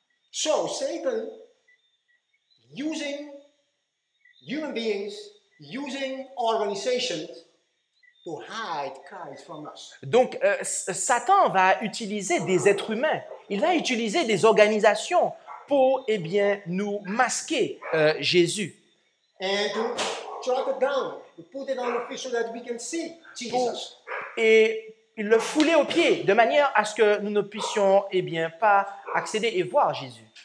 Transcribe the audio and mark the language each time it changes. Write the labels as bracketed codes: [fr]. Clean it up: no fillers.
[en] So Satan using human beings, using organizations to hide Christ from us. [fr] Donc Satan va utiliser des êtres humains. Il va utiliser des organisations pour eh bien nous masquer Jésus. [en] And to jot it down, to put it on the face so that we can see Jesus. [fr] Il le foulait aux pieds, de manière à ce que nous ne puissions eh bien, pas accéder et voir Jésus.